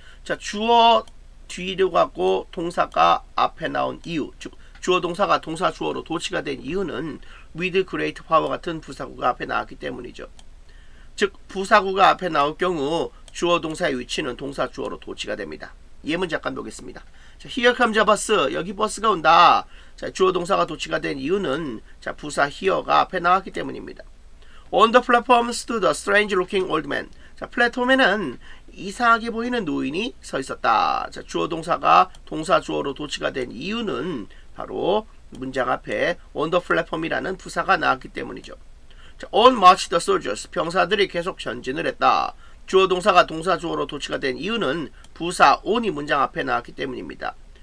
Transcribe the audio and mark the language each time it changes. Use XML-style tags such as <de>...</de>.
<ko>자, 주어 뒤로 갖고 동사가 앞에 나온 이유, 즉 주어 동사가 동사 주어로 도치가 된 이유는 with great power 같은 부사구가 앞에 나왔기 때문이죠. 즉 부사구가 앞에 나올 경우 주어 동사의 위치는 동사 주어로 도치가 됩니다. 예문 잠깐 보겠습니다. 자,</ko> <en>here comes a bus.</en> <ko>여기 버스가 온다. 자, 주어 동사가 도치가 된 이유는 자, 부사 here가 앞에 나왔기 때문입니다.</ko> <en>On the platform stood a strange looking old man.</en> <ko>자, 플랫폼에는 이상하게 보이는 노인이 서 있었다. 자, 주어 동사가 동사 주어로 도치가 된 이유는 바로 문장 앞에 on the platform이라는 부사가 나왔기 때문이죠. 자,</ko> <en>on march the soldiers.</en> <ko>병사들이 계속 전진을 했다. 주어 동사가 동사 주어로 도치가 된 이유는 부사 on이 문장 앞에 나왔기 때문입니다.</ko>